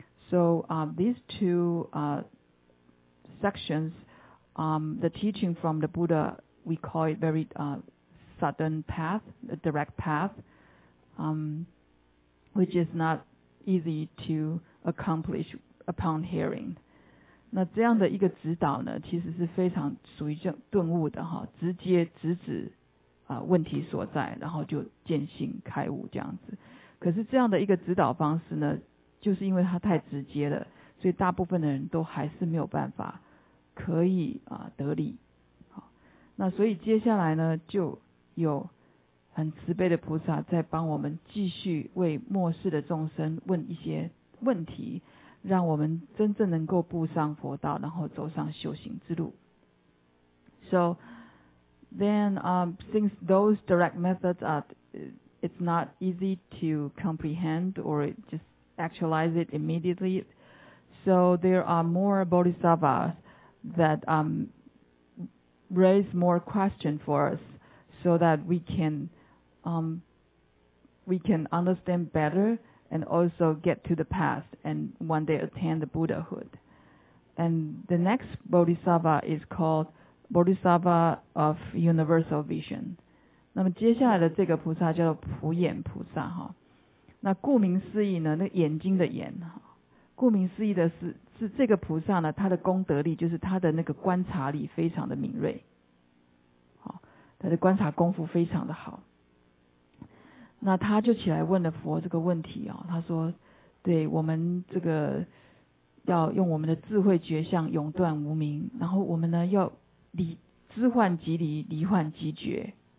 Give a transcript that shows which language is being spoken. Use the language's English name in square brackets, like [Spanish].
[English] So these two sections, the teaching from the Buddha,we call it very sudden path, a direct path, which is not easy to accomplish upon hearing. [Chinese] 那这样的一个指导呢，其实是非常属于顿悟的哈，直接直指问题所在，然后就见性开悟这样子。可是这样的一个指导方式呢，就是因为它太直接了，所以大部分的人都还是没有办法可以得理。那所以接下来呢，就有很慈悲的菩萨在帮我们继续为末世的众生问一些问题，让我们真正能够步上佛道，然后走上修行之路。 [English] So then, since those direct methods it's not easy to comprehend or just actualize it immediately, so there are more bodhisattvas that raise more questions for us so that we can understand better and also get to the past and one day attain the Buddhahood. And the next Bodhisattva is called Bodhisattva of Universal Vision. [Chinese] 那么接下来的这个菩萨叫做普眼菩萨哈。那顾名思义呢，那眼睛的眼，顾名思义的是这个菩萨呢，他的功德力就是他的那个观察力非常的敏锐。他的观察功夫非常的好，那他就起来问了佛这个问题啊、哦，他说：“对我们这个要用我们的智慧觉相永断无明，然后我们呢要离知幻即离，离幻即觉。